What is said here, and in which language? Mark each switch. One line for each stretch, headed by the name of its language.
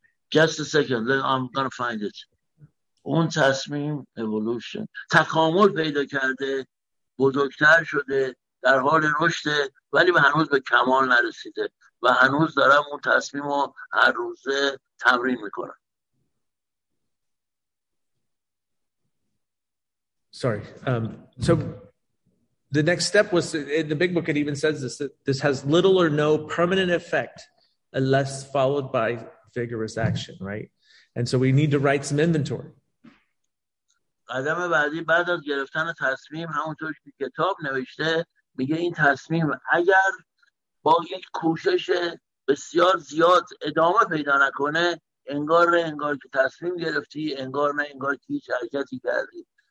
English: Just a second, I'm gonna find it.
Persian: اون تصمیم evolution تکامل پیدا کرده بزرگتر شده، در حال رشد، ولی به هنوز به کمال نرسیده و هنوز دارم اون تصمیم رو هر روزه تمرین میکنم.
English: Sorry. So the next step was, in the big book it even says this, that this has little or no permanent effect unless followed by vigorous action, right? And so we need to write some inventory.
Persian: قدم بعدی بعد از گرفتن تصمیم همونطور که کتاب نوشته میگه این تصمیم اگر با یک کوشش بسیار زیاد ادامه پیدا نکنه انگار نه انگار که تصمیم گرفتی، انگار نه انگار که هیچ حرکتی کردی.